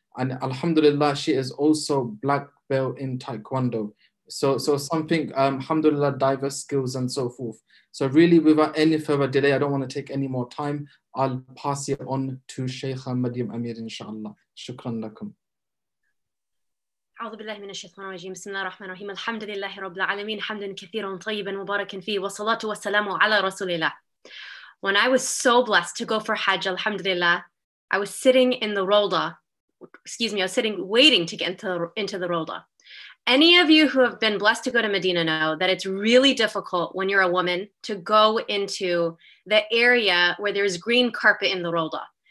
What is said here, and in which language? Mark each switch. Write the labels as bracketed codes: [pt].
[en] And alhamdulillah, she is also black belt in taekwondo. So something, alhamdulillah, diverse skills and so forth. So really, without any further delay, I don't want to take any more time. I'll pass it on to Sheikha Maryam Amir, inshallah. [ar] Shukran lakum. أعوذ بالله من الشيطان الرجيم بسم الله الرحمن الرحيم الحمد لله رب العالمين حمدا كثيرا طيبا مباركا فيه والصلاة والسلام على رسول الله. [en] When I was so blessed to go for Hajj, alhamdulillah, I was sitting in the Rawda. Excuse me, I was sitting waiting to get into the Rawda. Any of you who have been blessed to go to Medina know that it's really difficult when you're a woman to go into the area where there's green carpet in the Rawda.